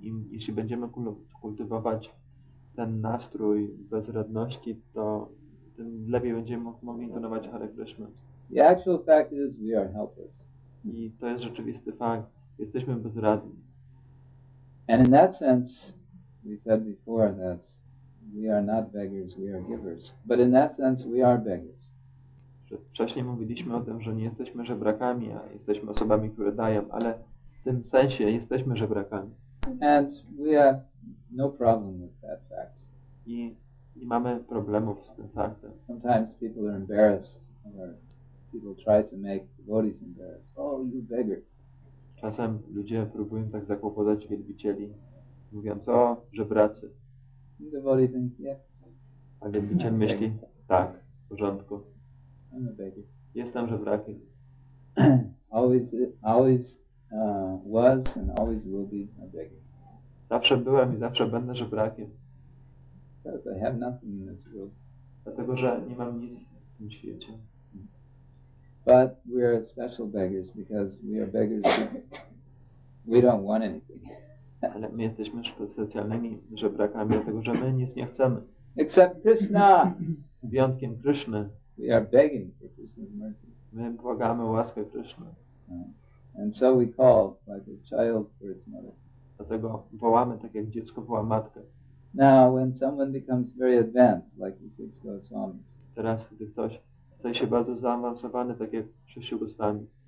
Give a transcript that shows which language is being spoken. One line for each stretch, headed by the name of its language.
Polish: Jeśli będziemy kultywować ten nastrój bezradności, to tym lepiej będziemy mogli intonować Hare Krishna.
English: The actual fact is we are helpless.
Polish: I to jest rzeczywisty fakt. Jesteśmy bezradni.
English: And in that sense, we said before that we are not beggars, we are givers. But in that sense, we are beggars.
Polish: Wcześniej mówiliśmy o tym, że nie jesteśmy żebrakami, a jesteśmy osobami, które dają, ale w tym sensie jesteśmy żebrakami.
English: And we have no problem with that fact.
Polish: I nie mamy problemów z tym faktem.
English: Sometimes people are embarrassed, or people try to make devotees embarrassed. Oh, you beggar.
Polish: Czasem ludzie próbują tak zakłopotać wielbicieli, mówiąc, o, żebracy.
English: The devotee thinks, yeah.
Polish: A wielbiciel myśli, tak, w porządku.
English: I'm a beggar.
Polish: Jestem żebrakiem.
English: always was and always will be a beggar.
Polish: Zawsze byłem i zawsze będę żebrakiem.
English: Because I have nothing in this world.
Polish: Dlatego, że nie mam nic w tym świecie.
English: But we are special beggars because we are beggars We don't want anything.
Polish: Ale my jesteśmy specjalnymi żebrakami, dlatego że my nic nie chcemy.
English: Except Krishna.
Polish: Z wyjątkiem Krishna.
English: We are begging for Krishna's mercy.
Polish: My błagamy łaskę Krishna.
English: And so we call like a child for its mother.
Polish: Dlatego wołamy tak jak dziecko woła matkę.
English: Now, when someone becomes very advanced, like the six Goswamis,
Polish: teraz gdy ktoś staje się bardzo zaawansowany, tak jak sześciu Goswami,